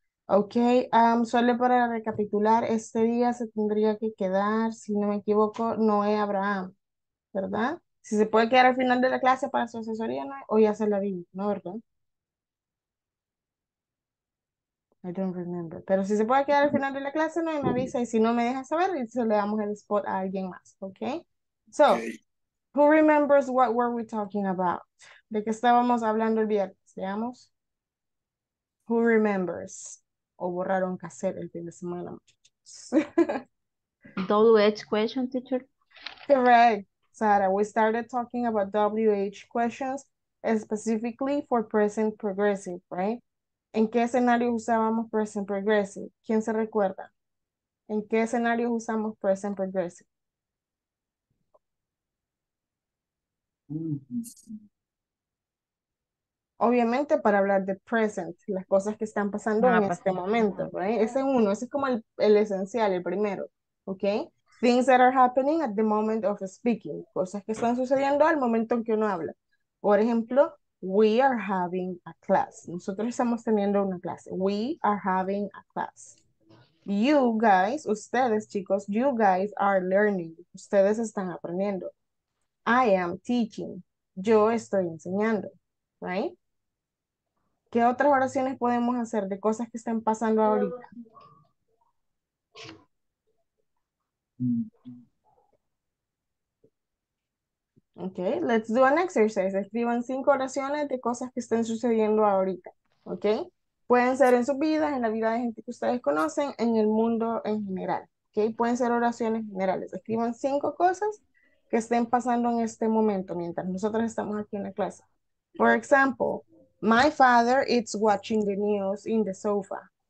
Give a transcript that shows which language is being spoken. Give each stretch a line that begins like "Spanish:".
Spanish: Ok, solo para recapitular, este día se tendría que quedar, si no me equivoco, Noé Abraham, ¿verdad? Si se puede quedar al final de la clase para su asesoría, ¿no? O ya se la vi, ¿no?
English: ¿Verdad? I don't remember.
Spanish: Pero si se puede quedar al final de la clase, no, y me avisa. Y si no, me deja saber y se le damos el spot a alguien más, ¿ok?
English: So, who remembers what were we talking about?
Spanish: ¿De qué estábamos hablando el viernes? Veamos.
English: Who remembers?
Spanish: ¿O borraron cassette el fin de semana, muchachos?
English: WH question, teacher. Correct. Sara, we started talking about WH questions specifically for present progressive, right?
Spanish: ¿En qué escenario usábamos present progressive? ¿Quién se recuerda? ¿En qué escenario usamos present progressive? Obviamente para hablar de present, las cosas que están pasando en este momento, right? Ese es uno, ese es como el esencial, el primero, okay?
English: Things that are happening at the moment of speaking.
Spanish: Cosas que están sucediendo al momento en que uno habla. Por ejemplo,
English: we are having a class.
Spanish: Nosotros estamos teniendo una clase.
English: We are having a class. You guys,
Spanish: ustedes chicos,
English: you guys are learning.
Spanish: Ustedes están aprendiendo.
English: I am teaching.
Spanish: Yo estoy enseñando. Right? ¿Qué otras oraciones podemos hacer de cosas que están pasando ahorita?
English: Okay, let's do an exercise.
Spanish: Escriban 5 oraciones de cosas que estén sucediendo ahorita. Okay, pueden ser en sus vidas, en la vida de gente que ustedes conocen, en el mundo en general. Okay, pueden ser oraciones generales. Escriban 5 cosas que estén pasando en este momento mientras nosotros estamos aquí en la clase.
English: For example, my father is watching the news in the sofa.